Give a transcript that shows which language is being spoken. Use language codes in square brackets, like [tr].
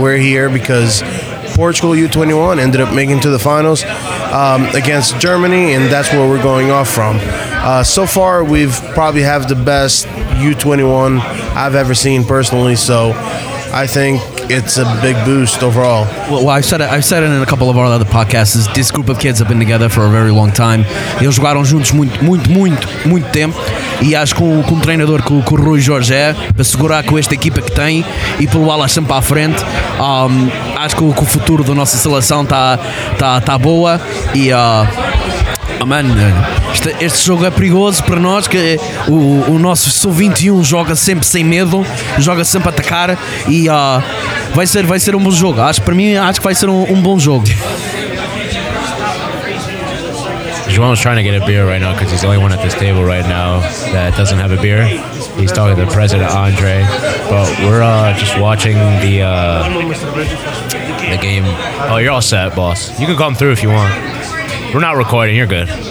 [en] We're here because Portugal U21 ended up making to the finals against Germany, and that's where we're going off from. So far, we've probably have the best U21 I've ever seen personally, so I think it's a big boost overall. Well, I said it in a couple of our other podcasts. This group of kids have been together for a very long time. [pt] Eles jogaram juntos muito tempo. E acho que com um treinador com o Rui Jorge é, para segurar com esta equipa que tem e pelo Alas sempre para a frente, acho que o futuro da nossa seleção está boa. E, mano, este jogo é perigoso para nós, que o nosso Sub-21 joga sempre sem medo, joga sempre a atacar e vai ser um bom jogo. Acho que vai ser um bom jogo. [en] João's trying to get a beer right now because he's the only one at this table right now that doesn't have a beer. He's talking to the president, Andre. But we're just watching the game. Oh, you're all set, boss. You can come through if you want. We're not recording. You're good.